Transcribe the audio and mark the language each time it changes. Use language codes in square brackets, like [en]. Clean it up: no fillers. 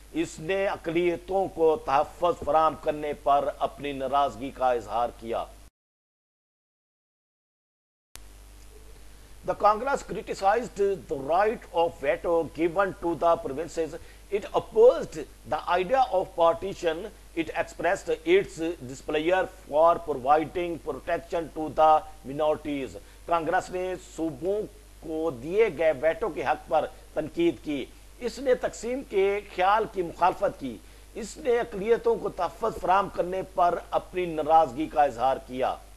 [ur] اس نے اقلیتوں کو تحفظ فراہم کرنے پر اپنی ناراضگی کا اظہار کیا. [en] The Congress criticized the right of veto given to the provinces. It opposed the idea of partition. It expressed its displeasure for providing protection to the minorities. [ur] Congress نے صوبوں کو دیے گئے ویٹو کے حق پر تنقید کی. اس نے تقسیم کے خیال کی مخالفت کی. اس نے اقلیتوں کو تحفظ فراہم کرنے پر اپنی ناراضگی کا اظہار کیا.